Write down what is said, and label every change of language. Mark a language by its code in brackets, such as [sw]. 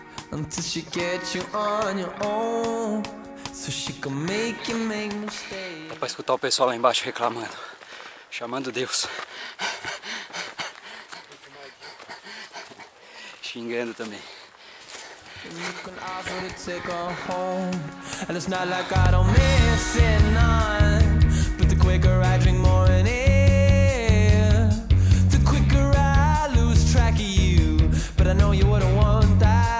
[en] Until she gets you on your own, so she can make you make mistakes. [pt] Dá pra escutar o pessoal lá embaixo reclamando, chamando Deus, xingando também. [en] You can offer to take her home, and it's not like I don't miss it none, but the quicker I drink more in it, the quicker I lose track of you, but I know you wouldn't want that.